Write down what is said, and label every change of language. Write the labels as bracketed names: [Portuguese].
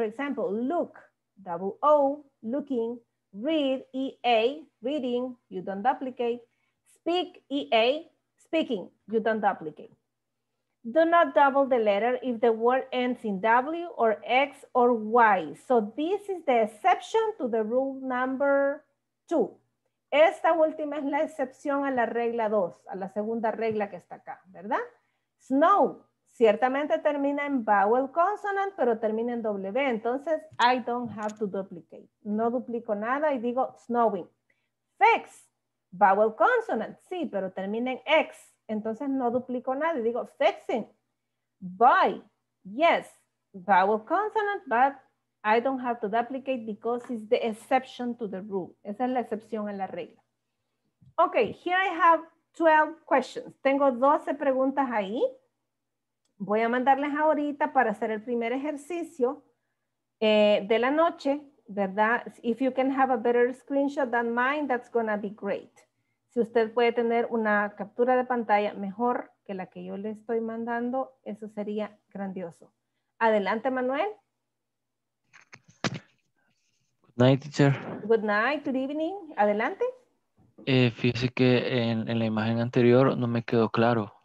[English] For example, look, double O, looking. Read, E-A, reading, you don't duplicate. Speak, E-A, speaking, you don't duplicate. Do not double the letter if the word ends in W or X or Y. So this is the exception to the rule number two. [Spanish] Esta última es la excepción a la regla dos, a la segunda regla que está acá, ¿verdad? Snow, ciertamente termina en vowel consonant, pero termina en W. Entonces, [English] I don't have to duplicate. [Spanish] No duplico nada y digo snowing. Fix, vowel consonant, sí, pero termina en X. Entonces, no duplico nada y digo fixing. [English] Buy, yes, vowel consonant, but I don't have to duplicate because it's the exception to the rule. [Spanish] Esa es la excepción en la regla. Ok, [English] here I have 12 questions. [Spanish] Tengo 12 preguntas ahí. Voy a mandarles ahorita para hacer el primer ejercicio de la noche, ¿verdad? [English] If you can have a better screenshot than mine, that's gonna be great. [Spanish] Si usted puede tener una captura de pantalla mejor que la que yo le estoy mandando, eso sería grandioso. Adelante, Manuel. [English] Good night, teacher. Good night, good evening. Adelante. [Spanish] Fíjese que en la imagen anterior no me quedó claro.